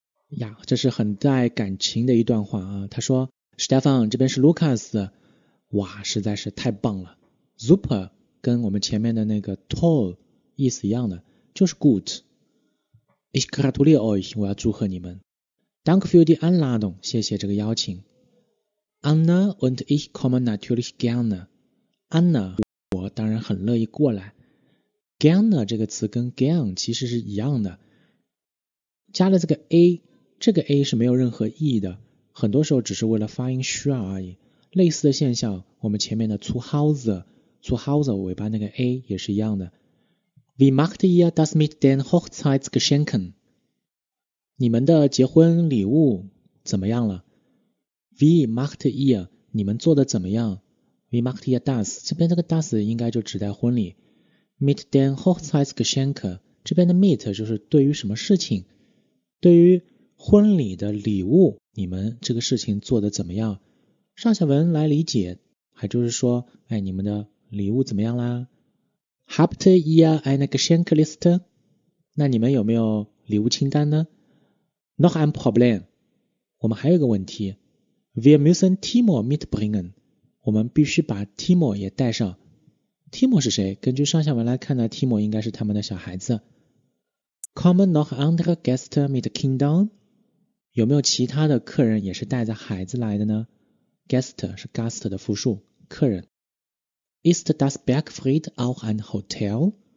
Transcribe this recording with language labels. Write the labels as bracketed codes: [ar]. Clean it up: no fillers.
[zh] 呀，这是很带感情的一段话啊。他说 Stefan, 这边是 Lukas. 哇，实在是太棒了。Super, 跟我们前面的那个 toll 意思一样的，就是 good. [de] Ich gratuliere euch, [zh] 我要祝贺你们。 [de] Danke für die Einladung, [zh] 谢谢这个邀请。 [de] Anna und ich kommen natürlich gerne. [zh] Anna,我当然很乐意过来 gerne 这个词跟 gern 其实是一样的加了这个 a 这个 a 是没有任何意义的很多时候只是为了发音需要而已类似的现象我们前面的 zu Hause 尾巴那个 a 也是一样的 [de] wie macht ihr das mit den Hochzeitsgeschenken [zh] 你们的结婚礼物怎么样了 [de] wie macht ihr [zh] 你们做的怎么样 [de] Wie macht ihr das? [zh] 这边这个 das 应该就指代婚礼。 [de] Mit den Hochzeitsgeschenke, [zh] 这边的 mit 就是对于什么事情。对于婚礼的礼物你们这个事情做得怎么样上下文来理解还就是说哎你们的礼物怎么样啦 [de] Habt ihr eine Geschenkliste? [zh] 那你们有没有礼物清单呢 [de] Noch ein Problem. [zh] 我们还有个问题。 [de] Wir müssen Timo mitbringen. [zh] 我们必须把 Timo 也带上 Timo 是谁根据上下文来看呢 Timo 应该是他们的小孩子 [de] Kommen noch andere Gäste mit Kindern [zh] 有没有其他的客人也是带着孩子来的呢 Gäste 是 Gast 的复数客人 [de] Ist das Bergfried auch ein Hotel